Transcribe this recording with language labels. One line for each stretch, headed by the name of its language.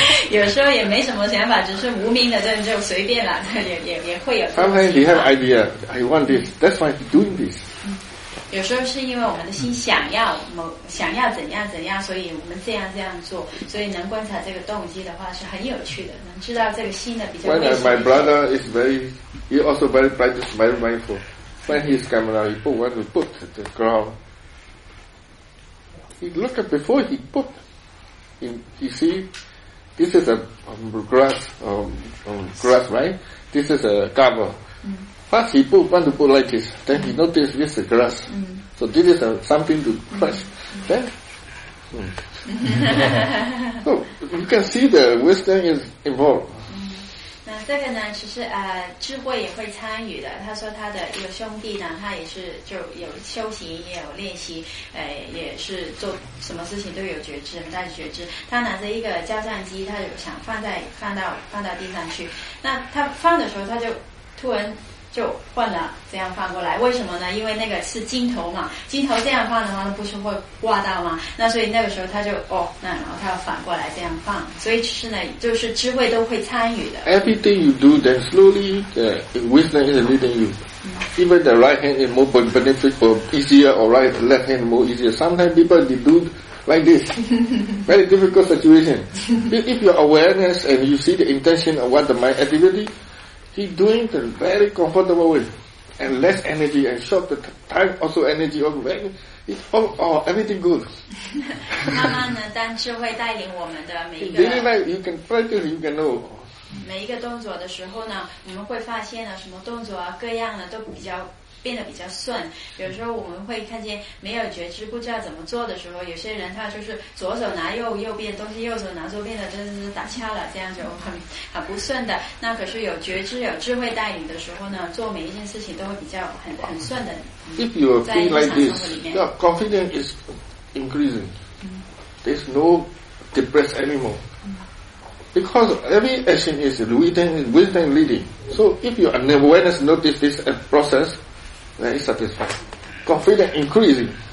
Chinese: 有时候也没什么想法，只是无名的，就随便了，也会有。
English: Sometimes you have idea, I want this, that's why I'm doing this.
Chinese: 有时候是因为我们的心想要怎样怎样，所以我们这样做，所以能观察这个动机的话是很有趣的，能知道这个心的比较为什么。
English: When my brother is very, he also very practice very mindful. When his camera, he put where to put the ground. He look at before he put. He see, this is a grass, right? This is a cover. First he put, want to put like this. Then he notice this is a grass. So this is something to crush. Then, so you can see the wisdom is involved.
Chinese: 那这个呢，其实智慧也会参与的。他说他的一个兄弟呢，他也是就有修行，也有练习，也是做什么事情都有觉知，很大的觉知。他拿着一个胶像机，他就想放到地上去。那他放的时候，他就突然就换了这样放过来，为什么呢？因为那个是镜头嘛，镜头这样放的话，那不是会挂到吗？那所以那个时候他就那然后他要反过来这样放，所以其实呢，就是智慧都会参与的。
English: Everything you do, then slowly the wisdom is leading you. Even the right hand is more beneficial, easier, or right left hand more easier. Sometimes people they do like this, very difficult situation. If your awareness and you see the intention of what the mind activity. He doing the very comfortable way, and less energy, and short the time, also energy, also very, it's all everything good.
Chinese: 慢慢的，当智慧带领我们的每一个。
English: Daily life, you can practice, you can know.
Chinese: 每一个动作的时候呢，我们会发现呢，什么动作啊，各样的都比较变得比较顺。有时候我们会看见没有觉知，不知道怎么做的时候，有些人他就是左手拿右边东西，右手拿左边的，就是打架了，这样就很不顺的。那可是有觉知、有智慧带领的时候呢，做每一件事情都会比较很顺的。
English: If you feel like this, your confidence is increasing. There's no depressed anymore. Because every action is wisdom leading. So if you awareness notice this process.That is satisfied. Confidence increasing.